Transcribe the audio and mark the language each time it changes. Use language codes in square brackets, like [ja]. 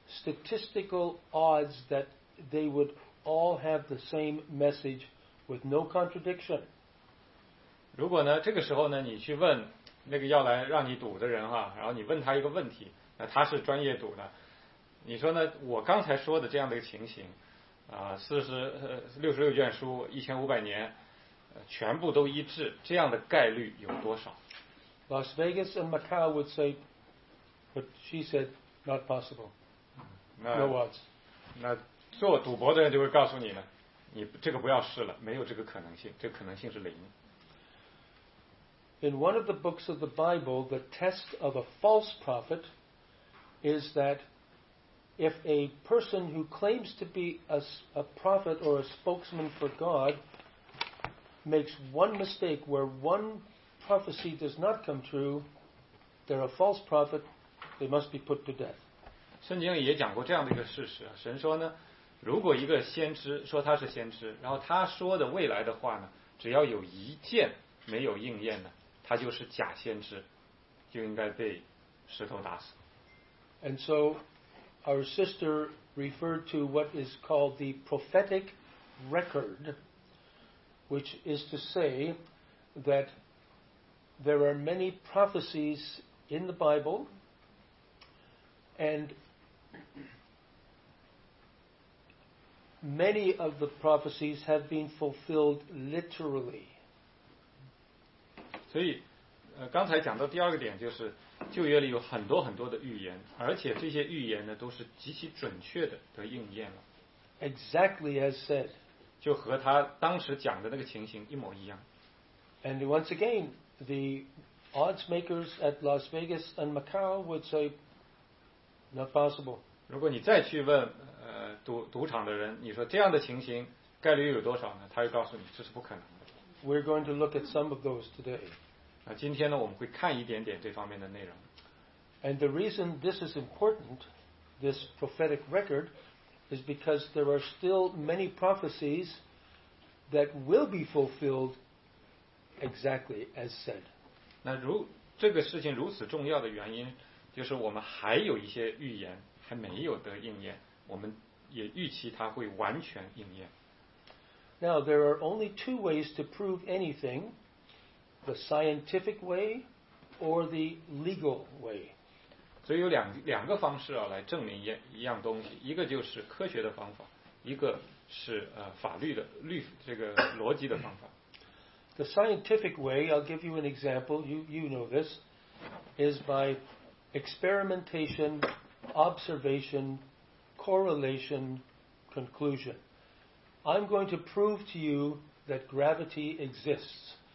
[en] statistical odds that they would all have the same message with no contradiction. [zh] 如果呢，这个时候呢，你去问那个要来让你赌的人哈，然后你问他一个问题，那他是专业赌的，你说呢，我刚才说的这样的一个情形啊，66卷书1500年全部都一致，这样的概率有多少？ [en] Las Vegas and Macau would say, but she said not possible. No odds. [zh] 那做赌博的人就会告诉你呢，你这个不要试了，没有这个可能性，这个可能性是零。 [en] In one of the books of the Bible, the test of a false prophet is that if a person who claims to be a prophet or a spokesman for God makes one mistake where one prophecy does not come true, they're a false prophet, they must be put to death. [zh] 圣经也讲过这样的一个事实，神说呢，如果一个先知说他是先知，然后他说的未来的话呢，只要有一件没有应验的，他就是假先知，就应该被石头打死。 [en] And so, our sister referred to what is called the prophetic record, which is to say that there are many prophecies in the Bible, and many of the prophecies have been fulfilled literally. [zh] 所以刚才讲到第二个点，就是旧约里有很多很多的预言，而且这些预言呢都是极其准确的得应验了。 [en] Exactly as said. [zh] 就和他当时讲的那个情形一模一样。 [en] And once again, the odds makers at Las Vegas and Macau would say, not possible. [zh] 如果你再去问赌场的人，你说这样的情形概率有多少呢？他会告诉你这是不可能的。 [en] We're going to look at some of those today. [zh] 那今天呢，我们会看一点点这方面的内容。 [en] And the reason this is important, this prophetic record, is because there are still many prophecies that will be fulfilled exactly as said. [zh] 那如这个事情如此重要的原因，就是我们还有一些预言还没有得应验，我们也预期它会完全应验。 [en] Now, there are only two ways to prove anything, the scientific way or the legal way. [zh] 所以有两个方式来证明一样东西，一个就是科学的方法，一个是法律的律这个逻辑的方法。 [en] The scientific way, I'll give you an example, you know this, is by experimentation, observation, correlation, conclusion. I'm going to prove to you that gravity exists.